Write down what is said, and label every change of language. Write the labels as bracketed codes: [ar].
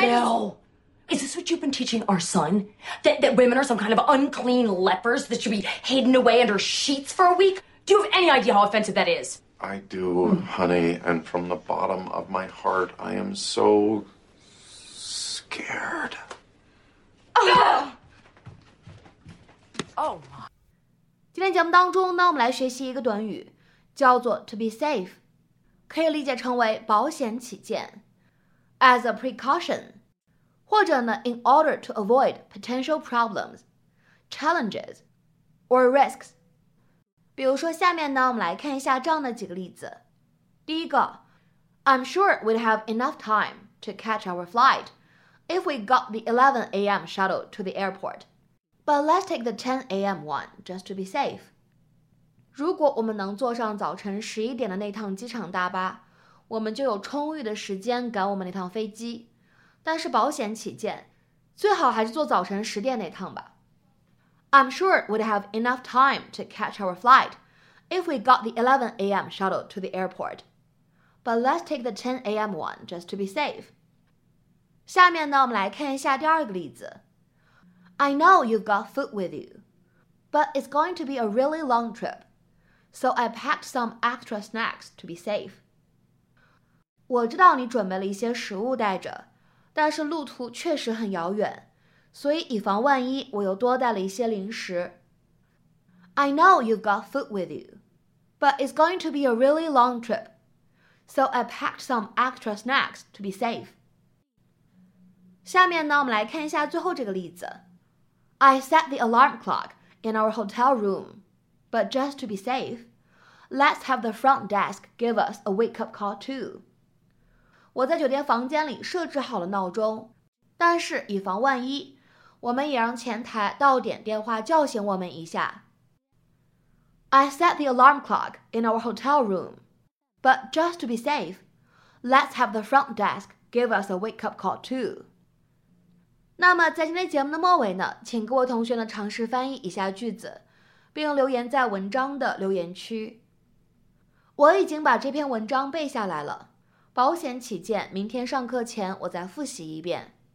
[en] Phil, is this what you've been teaching our son? That women are some kind of unclean lepers that should be hidden away under sheets for a week? Do you have any idea how offensive that is? I do, honey, and from the bottom of my heart, I am so scared. Oh, my. [zh] 今天节目当中呢，我们来学习一个短语。叫做 [en] to be safe， [zh] 可以理解成为保险起见 ， [en] as a precaution， [zh] 或者呢 ， [en] in order to avoid potential problems， challenges， or risks。 [zh] 比如说，下面呢，我们来看一下这样的几个例子。第一个 [en] ，I'm sure we'd have enough time to catch our flight if we got the 11 a.m. shuttle to the airport， but let's take the 10 a.m. one just to be safe。 [zh] 如果我们能坐上早晨十一点的那趟机场大巴，我们就有充裕的时间赶我们那趟飞机。但是保险起见，最好还是坐早晨十点那趟吧。 [en] I'm sure we'd have enough time to catch our flight if we got the 11 a.m. shuttle to the airport. But let's take the 10 a.m. one just to be safe. [zh] 下面呢，我们来看一下第二个例子。 [en] I know you've got food with you, but it's going to be a really long trip. So I packed some extra snacks to be safe. [zh] 我知道你准备了一些食物带着，但是路途确实很遥远，所以以防万一，我又多带了一些零食。 [en] I know you've got food with you, but it's going to be a really long trip. So I packed some extra snacks to be safe. [zh] 下面呢，我们来看一下最后这个例子。 [en] I set the alarm clock in our hotel room. But just to be safe, let's have the front desk give us a wake-up call too. [zh] 我在酒店房间里设置好了闹钟，但是以防万一，我们也让前台到点电话叫醒我们一下。 [en] I set the alarm clock in our hotel room, but just to be safe, Let's have the front desk give us a wake-up call too. [zh] 那么在今天节目的末尾呢，请各位同学呢尝试翻译一下句子，并留言在文章的留言区。我已经把这篇文章背下来了，保险起见，明天上课前我再复习一遍。